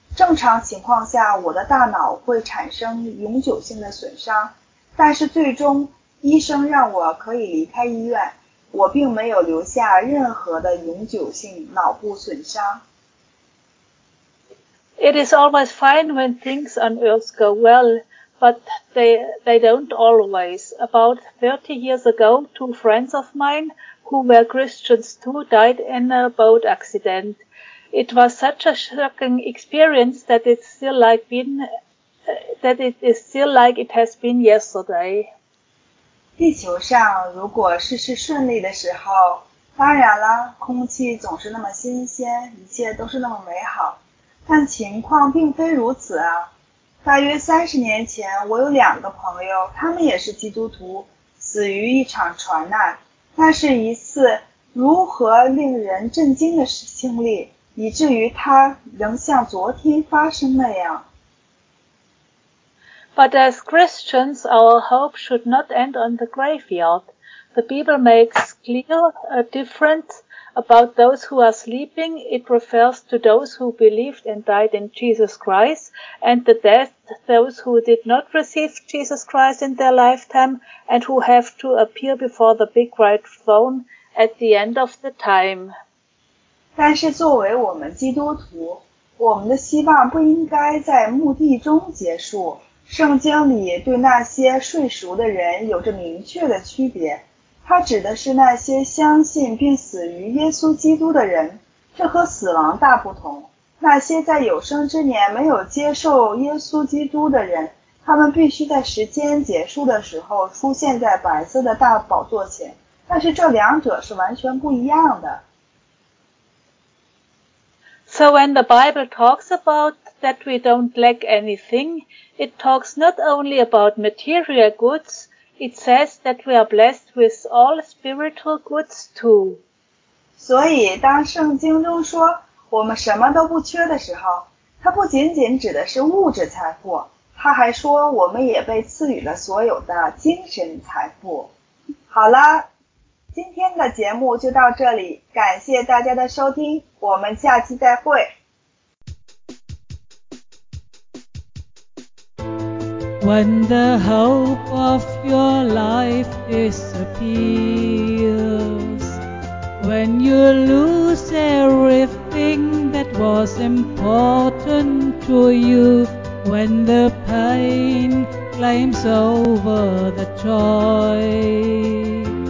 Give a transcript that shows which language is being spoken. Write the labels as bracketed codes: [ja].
[zh] 正常情况下，我的大脑会产生永久性的损伤，但是最终医生让我可以离开医院，我并没有留下任何的永久性脑部损伤。 [en] It is always fine when things on earth go well. But they don't always. About 30 years ago, two friends of mine, who were Christians too, died in a boat accident. It was such a shocking experience that it has been yesterday. [zh] 地球上如果事事顺利的时候，当然了，空气总是那么新鲜，一切都是那么美好。但情况并非如此啊。大约30年前，我有2个朋友，他们也是基督徒，死于一场船难。那是一次如何令人震惊的经历，以至于它仍像昨天发生那样。 [en] But as Christians, our hope should not end on the graveyard. The Bible makes clear a difference about those who are sleeping, it refers to those who believed and died in Jesus Christ, and the dead, those who did not receive Jesus Christ in their lifetime, and who have to appear before the big white throne at the end of the time. [zh] 但是作为我们基督徒，我们的希望不应该在墓地中结束。圣经里对那些睡熟的人有着明确的区别，它指的是那些相信并死于耶稣基督的人，这和死亡大不同。那些在有生之年没有接受耶稣基督的人，他们必须在时间结束的时候出现在白色的大宝座前，但是这两者是完全不一样的。 [en] So when the Bible talks about that we don't lack anything, it talks not only about material goods, it says that we are blessed with all spiritual goods too. [zh] 所以当圣经中说我们什么都不缺的时候，它不仅仅指的是物质财富，它还说我们也被赐予了所有的精神财富。好了，今天的节目就到这里，感谢大家的收听，我们下期再会。 [en] When the hope of your life disappears, when you lose everything that was important to you, when the pain climbs over the joy,